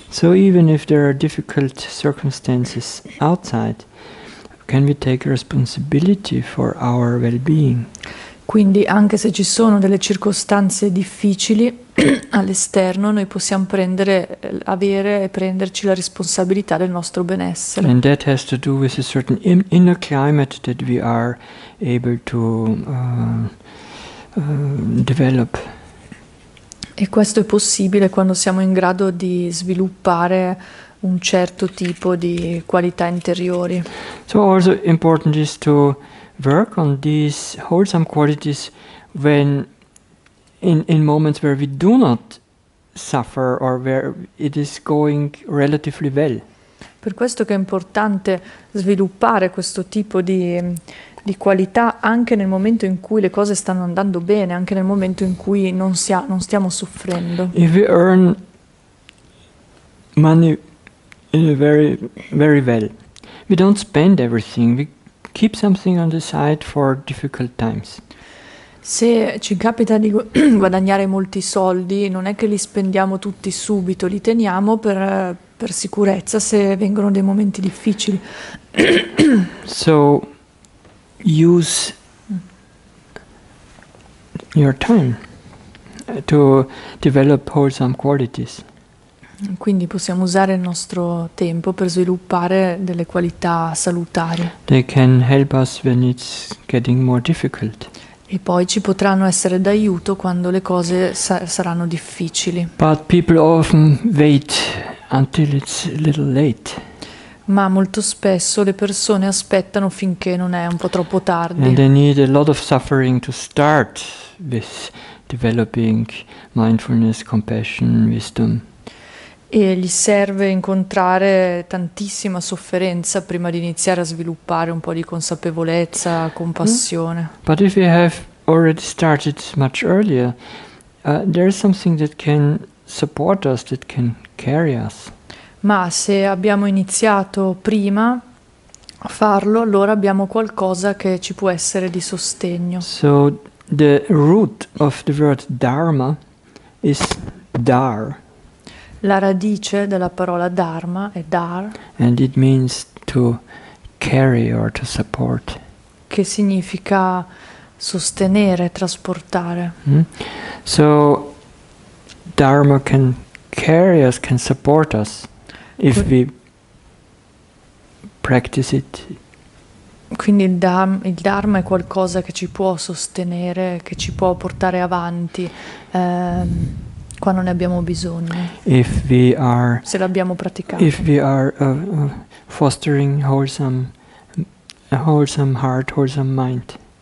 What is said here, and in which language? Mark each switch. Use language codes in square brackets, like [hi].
[en] So even if there are difficult circumstances outside, can we take responsibility for our well-being? [it] Quindi anche se ci sono delle circostanze difficili all'esterno, noi possiamo prenderci la responsabilità del nostro benessere. [en] And that has to do with a certain inner climate that we are able to develop. [it] E questo è possibile quando siamo in grado di sviluppare un certo tipo di qualità interiori. [en] So also important is to work on these wholesome qualities when in moments where we do not suffer or where it is going relatively well. [it] Per questo che è importante sviluppare questo tipo di qualità anche nel momento in cui le cose stanno andando bene, anche nel momento in cui non stiamo soffrendo. [en] If we earn money in a very, very well, we don't spend everything, we keep something on the side for difficult times. [it] Se ci capita di guadagnare molti soldi, non è che li spendiamo tutti subito, li teniamo per sicurezza se vengono dei momenti difficili. [en] So use your time to develop wholesome qualities. [it] Quindi possiamo usare il nostro tempo per sviluppare delle qualità salutari. [en] They can help us when it's getting more difficult. [it] E poi ci potranno essere d'aiuto quando le cose saranno difficili. [en] But people often wait until it's a little late. [it] Ma molto spesso le persone aspettano finché non è un po' troppo tardi. [en] And they need a lot of suffering to start with developing mindfulness, compassion, wisdom. [it] E gli serve incontrare tantissima sofferenza prima di iniziare a sviluppare un po' di consapevolezza, compassione. [en] But if you have already started much earlier, there is something that can support us, that can carry us. [it] Ma se abbiamo iniziato prima a farlo, allora abbiamo qualcosa che ci può essere di sostegno. [en] So the root of the word dharma is dar. [it] La radice della parola dharma è dar. [en] And it means to carry or to support. [it] Che significa sostenere, trasportare. Mm? [en] So dharma can carry us, can support us. If we practice it. [it] Quindi il Dharma è qualcosa che ci può sostenere, che ci può portare avanti quando ne abbiamo bisogno. [en] If we are, [it] se l'abbiamo praticato. [en] If we are fostering a wholesome heart, wholesome mind.